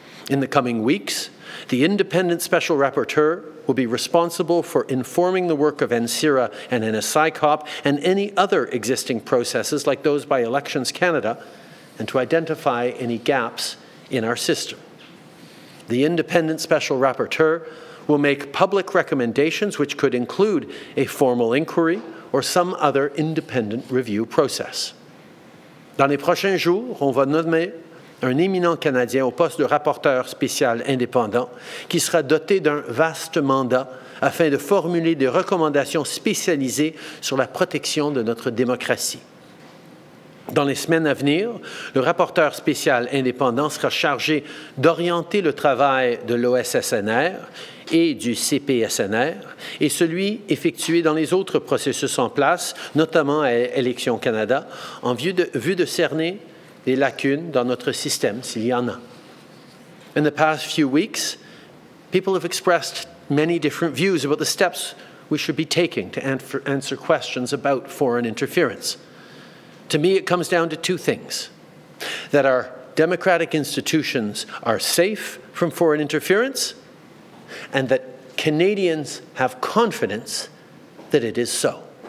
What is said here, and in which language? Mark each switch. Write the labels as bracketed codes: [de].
[en] In the coming weeks, the independent special rapporteur will be responsible for informing the work of NCERA and NSICOP and any other existing processes like those by Elections Canada, and to identify any gaps in our system. The independent special rapporteur will make public recommendations, which could include a formal inquiry or some other independent review process. [fr] Dans les prochains jours, on va nommer un éminent Canadien au poste de rapporteur spécial indépendant qui sera doté d'un vaste mandat afin de formuler des recommandations spécialisées sur la protection de notre démocratie. Dans les semaines à venir, le rapporteur spécial indépendant sera chargé d'orienter le travail de l'OSSNR et du CPSNR et celui effectué dans les autres processus en place, notamment à Élections Canada, en vue de cerner des lacunes dans notre système, s'il y en a. [en] In the past few weeks, people have expressed many different views about the steps we should be taking to answer questions about foreign interference. To me, it comes down to two things: that our democratic institutions are safe from foreign interference, and that Canadians have confidence that it is so.